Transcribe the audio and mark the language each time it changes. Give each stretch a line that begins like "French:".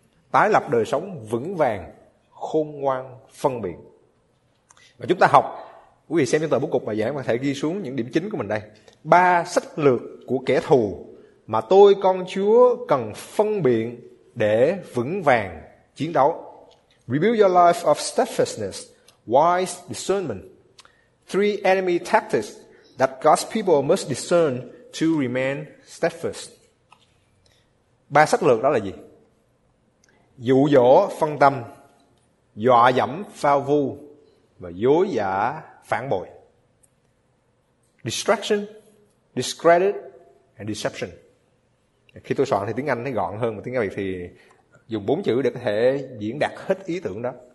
Vietnamese: Tái lập đời sống vững vàng, khôn ngoan phân biệt. Và chúng ta học, quý vị xem trên tờ bố cục bài giảng và thể ghi xuống những điểm chính của mình đây. Ba sách lược của kẻ thù mà tôi con Chúa cần phân biệt để vững vàng chiến đấu.
English: Rebuild your life of steadfastness, wise discernment. Three enemy tactics that God's people must discern to remain steadfast.
Vietnamese: Ba sách lược đó là gì? Dụ dỗ phân tâm, dọa dẫm phao vu và dối giả phản bội.
English: Distraction, discredit and deception.
Vietnamese: Khi tôi soạn thì tiếng Anh thấy gọn hơn, mà tiếng Việt thì dùng bốn chữ để có thể diễn đạt hết ý tưởng đó.